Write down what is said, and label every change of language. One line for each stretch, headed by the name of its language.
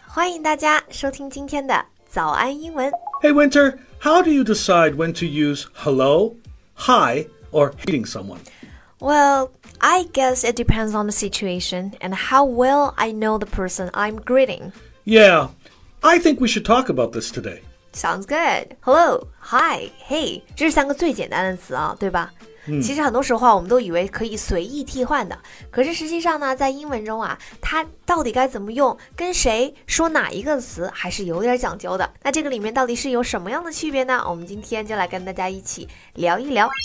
Chinese: 欢迎大家收听今天的早安英文。
English: Hey, Winter, how do you decide when to use hello, hi, or hating someone? Well... I guess it depends on the situation and how well I know the person I'm greeting. Yeah, I think we should talk about this today. Sounds good. Hello, hi, hey.
Chinese: 这是三个最简单的词啊，对吧？其实很多时候我们都以为可以随意替换的。可是实际上呢，在英文中啊，它到底该怎么用，跟谁说哪一个词还是有点讲究的。那这个里面到底是有什么样的区别呢？我们今天就来跟大家一起聊一聊。